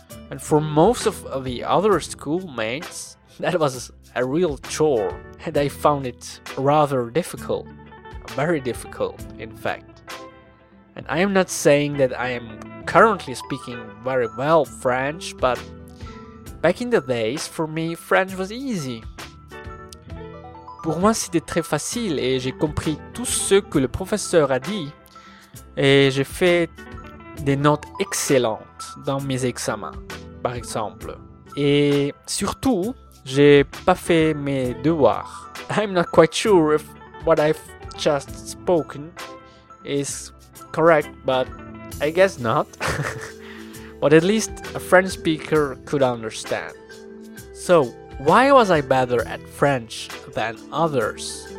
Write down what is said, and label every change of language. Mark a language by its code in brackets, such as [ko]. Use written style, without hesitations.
[en] And for most of the other schoolmates, that was a real chore, and I found it rather difficult. Very difficult, in fact. And I am not saying that I am currently speaking very well French, but back in the days, for me, French was easy. [fr] Pour moi, c'était très facile et j'ai compris tout ce que le professeur a dit et j'ai fait des notes excellentes dans mes examens, par exemple. Et surtout, j'ai pas fait mes devoirs. [en] I'm not quite sure if what I've just spoken is correct, but I guess not. But at least a French speaker could understand. So, why was I better at French than others?